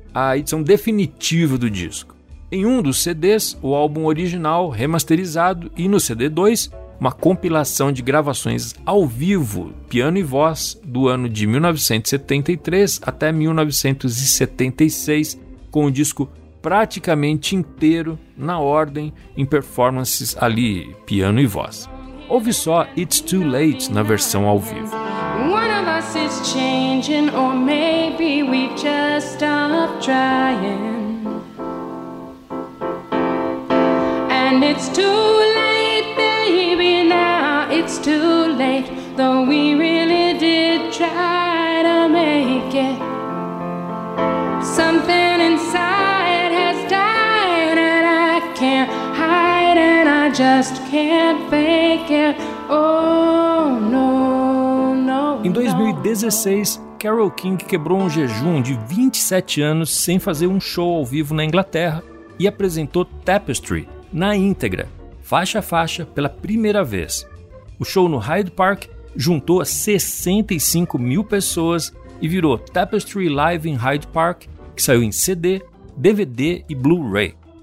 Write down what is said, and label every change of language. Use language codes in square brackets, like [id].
[pt] a edição definitiva do disco. Em um dos CDs, o álbum original remasterizado, e no CD 2, uma compilação de gravações ao vivo, piano e voz, do ano de 1973 até 1976, com o disco praticamente inteiro, na ordem, em performances ali, piano e voz. Ouve só It's Too Late na versão ao vivo. [en] One of us is changing, or maybe we just stop trying. And it's too late, baby, now it's too late, though we really did try to make it. Something inside has died and I can't hide and I just can't fake it. Oh no, no. [pt] Em 2016, Carole King quebrou um jejum de 27 anos sem fazer um show ao vivo na Inglaterra e apresentou Tapestry na íntegra, faixa a faixa, pela primeira vez. O show no Hyde Park juntou 65 mil pessoas e virou Tapestry Live in Hyde Park, que saiu em CD, DVD e Blu-ray.